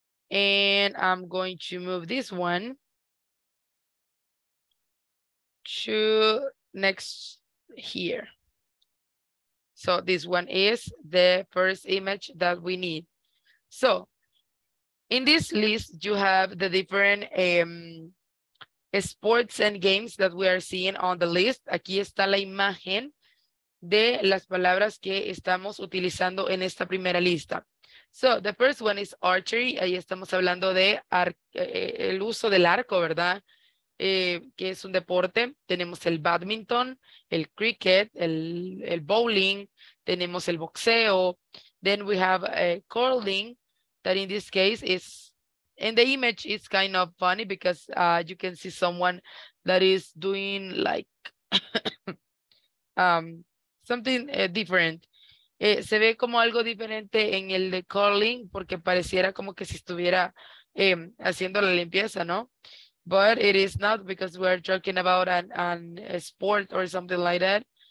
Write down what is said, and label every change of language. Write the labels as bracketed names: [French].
[English] And I'm going to move this one to next here. So this one is the first image that we need. So in this list, you have the different sports and games that we are seeing on the list. [Spanish] Aquí está la imagen de las palabras que estamos utilizando en esta primera lista. [English] So, the first one is archery. [Spanish] Ahí estamos hablando de el uso del arco, ¿verdad? Que es un deporte. Tenemos el badminton, el cricket, el bowling. Tenemos el boxeo. [English] Then we have curling, that in this case is, in the image, it's kind of funny because you can see someone that is doing like, something different. [Spanish] Se ve como algo diferente en el de curling porque pareciera como que si estuviera haciendo la limpieza, ¿no? [English] But it is not because we're talking about a sport or something like that.